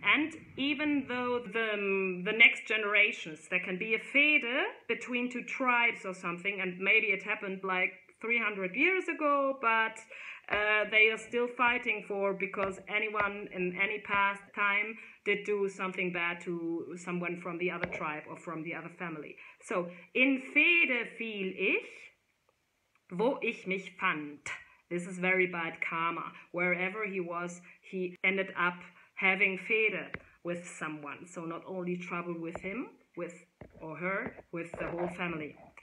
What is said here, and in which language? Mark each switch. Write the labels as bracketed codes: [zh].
[en] And even though the next generations, there can be a Fehde between two tribes or something, and maybe it happened like 300 years ago, but they are still fighting for, because anyone in any past time did do something bad to someone from the other tribe or from the other family. [de] So, in Fehde fiel ich, wo ich mich fand. [en] This is very bad karma. Wherever he was, he ended up having Fehde with someone. So not only trouble with him, with or her, with the whole family.